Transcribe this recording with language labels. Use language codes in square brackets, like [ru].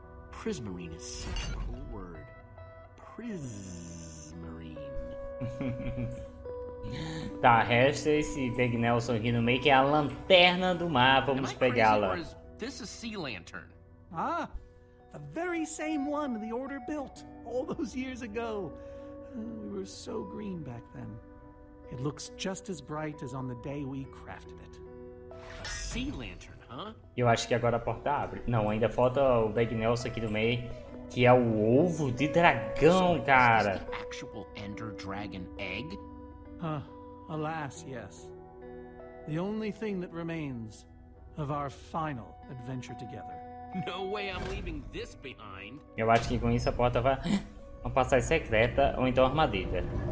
[en] Prismarine is such a cool word. Prismarine. [pt] Tá, resta esse Big Nelson aqui no meio, que é a lanterna do mar. Vamos pegá-la. [en] This is sea lantern. Ah, the very same one the Order built all those years ago. We were so green back then. It looks just as bright as on the day we crafted it. A sea lantern. [pt] Eu acho que agora a porta abre. Não, ainda falta o Big Nelson aqui do meio, que é o ovo de dragão, cara. Então, é o [en] actual Ender Dragon egg? Alas, yes. The only thing that remains of our final adventure together. No way I'm leaving this behind. [pt] Eu acho que com isso a porta vai uma passagem secreta ou então armadilha.